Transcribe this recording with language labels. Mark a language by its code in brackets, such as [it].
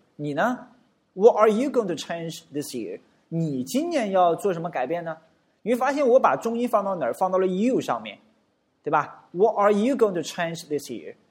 [zh] 你呢 [en] ？What are you going to change this year？ [zh] 你今年要做什么改变呢？你会发现我把重音放到哪儿？放到了 you 上面，对吧 [en] ？What are you going to change this year？